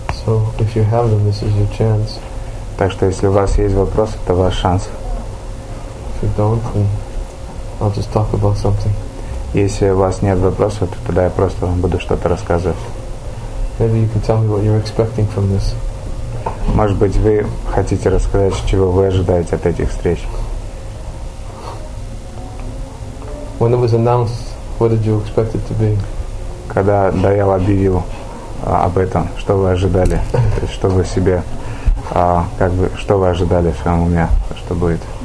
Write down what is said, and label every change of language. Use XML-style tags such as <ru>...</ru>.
<en>So, if you have them, this is your chance.</en> <ru>Так что если у вас есть вопрос, это ваш шанс.</ru> <en>If you don't, then I'll just talk about something.</en> <ru>Если у вас нет вопросов, то тогда я просто вам буду что-то рассказывать.</ru> <en>Maybe you can tell me what you're expecting from this.</en> <ru>Может быть, вы хотите рассказать, чего вы ожидаете от этих встреч?</ru> <en>When it was announced, what did you expect it to be?</en> <ru>Когда Даял объявил об этом, что вы ожидали? Что вы себе, как бы, что вы ожидали в своем уме, что будет?</ru>